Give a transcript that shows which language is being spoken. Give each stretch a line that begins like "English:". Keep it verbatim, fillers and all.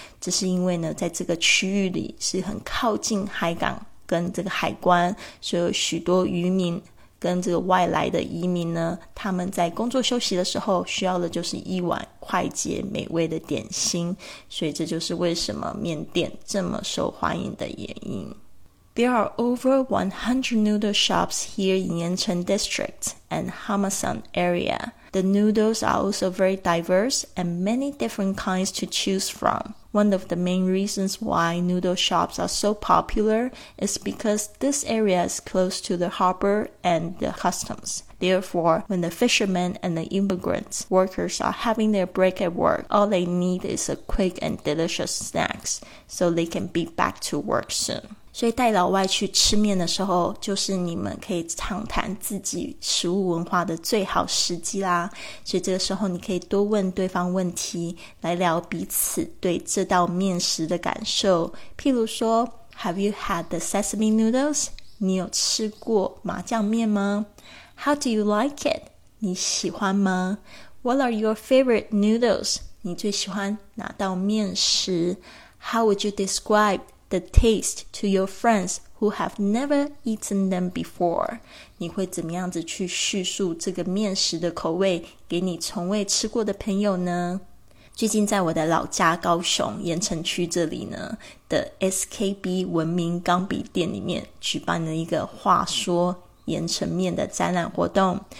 Chinese: 这是因为呢在这个区域里是很靠近海港跟这个海关，所以有许多渔民跟这个外来的移民呢，他们在工作休息的时候需要的就是一碗快捷美味的点心，所以这就是为什么面店这么受欢迎的原因。
English: There are over one hundred noodle shops here in Yancheng District and Hamasun area. The noodles are also very diverse and many different kinds to choose from. One of the main reasons why noodle shops are so popular is because this area is close to the harbor and the customs. Therefore, when the fishermen and the immigrant workers are having their break at work, all they need is a quick and delicious snacks, so they can be back to work soon.
Chinese: 所以带老外去吃面的时候，就是你们可以畅谈自己食物文化的最好时机啦。所以这个时候你可以多问对方问题，来聊彼此对这道面食的感受。譬如说
English: Have you had the sesame noodles?
Chinese: 你有吃过麻酱面吗？
English: How do you like it?
Chinese: 你喜欢吗？
English: What are your favorite noodles?
Chinese: 你最喜欢哪道面食？
English: How would you describe the taste to your friends who have never eaten them before?
Chinese: 你会怎么样子去叙述这个面食的口味给你从未吃过的朋友呢？最近在我的老家高雄盐城区这里呢的 S K B 文明钢笔店里面举办了一个话说盐城面的展览活动。